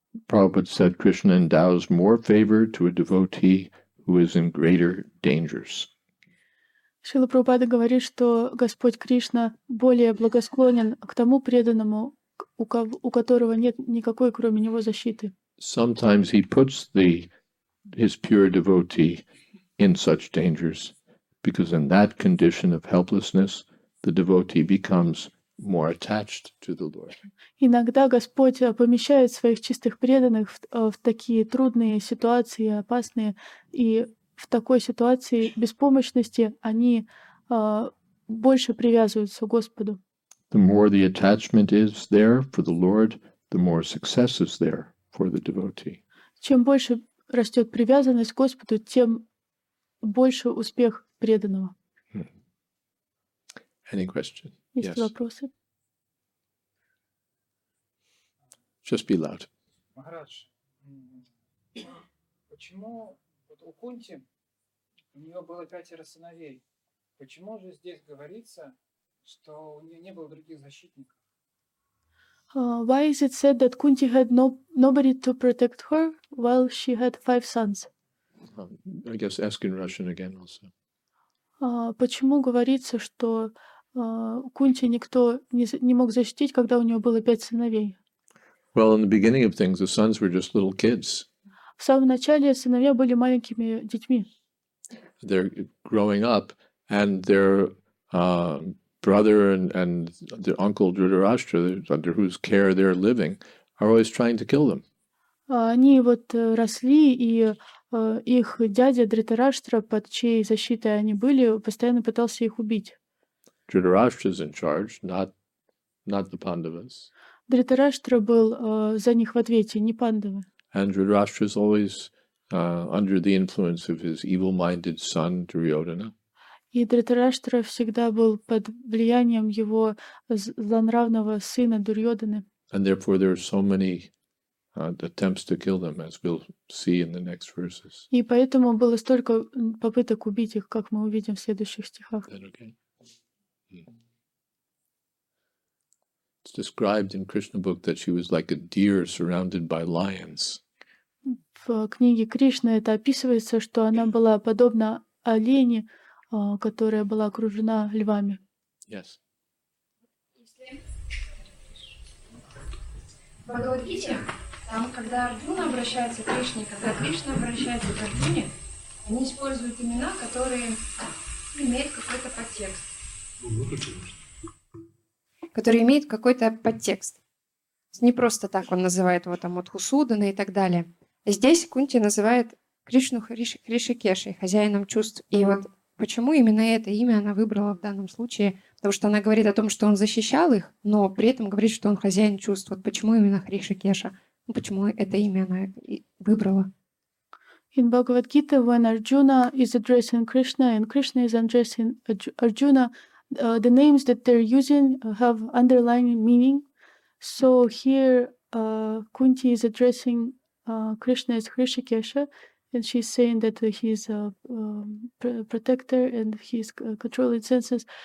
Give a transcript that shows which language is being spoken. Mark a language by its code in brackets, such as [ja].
[en] Prabhupada said Krishna endows more favor to a devotee who is in greater dangers. [ru] Шрила Прабхупада говорит, что Господь Кришна более благосклонен к тому преданному, у которого нет никакой, кроме него, защиты. [en] Sometimes he puts his pure devotee in such dangers, because in that condition of helplessness, the devotee becomes more attached to the Lord. [ru] Иногда Господь помещает своих чистых преданных в такие трудные ситуации, опасные, и в такой ситуации беспомощности они больше привязываются к Господу. [en] The more the attachment is there for the Lord, the more success is there for the devotee. [ru] Чем больше растет привязанность к Господу, тем больше успех преданного. [en] Any question? [ru] Есть [en] yes. [ru] Вопросы? [en] Just be loud. [ru] Махарадж, почему вот у Кунти у нее было пятеро сыновей? Почему же здесь говорится, что у нее не было других защитников? [en] Why is it said that Kunti had nobody to protect her while she had five sons? I guess ask in Russian again also. [ru] Почему говорится, что Кунти никто не мог защитить, когда у нее было пять сыновей? [en] Well, in the beginning of things, the sons were just little kids. [ru] В самом начале сыновья были маленькими детьми. [en] They're growing up, and their brother and their uncle Dhritarashtra, under whose care they're living, are always trying to kill them. [ru] Они вот росли, и их дядя Дритараштра, под чьей защитой они были, постоянно пытался их убить. [en] Dhritarashtra is in charge, not the Pandavas. [ru] Дритараштра был за них в ответе, не Пандавы. [en] And Dhritarashtra is always under the influence of his evil-minded son Duryodhana. [ru] И Дритараштра всегда был под влиянием его злонравного сына Дурьодханы. [en] And therefore there are so many attempts to kill them, as we'll see in the next verses. [ru] И поэтому было столько попыток убить их, как мы увидим в следующих стихах. [en] It's described in Krishna book that she was like a deer surrounded by lions. [ru] В книге Кришны это описывается, что она была подобна олене, которая была окружена львами. [en] Yes. [ru] Если в Бхагавад-гите, там, когда Арджуна обращается к Кришне, когда Кришна обращается к Арджуне, они используют имена, которые имеют какой-то подтекст. Который имеет какой-то подтекст. Не просто так он называет его там Мадхусудана и так далее. Здесь Кунти называет Кришну Хришикешей, хозяином чувств. И вот почему именно это имя она выбрала в данном случае? Потому что она говорит о том, что он защищал их, но при этом говорит, что он хозяин чувств. Вот почему именно Хришикеша? Ну, почему это имя она выбрала? [en] In Bhagavad Gita, when Arjuna is addressing Krishna and Krishna is addressing Arjuna, the names that they're using have underlying meaning. So here, Kunti is addressing Krishna as Hrishikesha, and she's saying that he is a protector and he is controlling senses.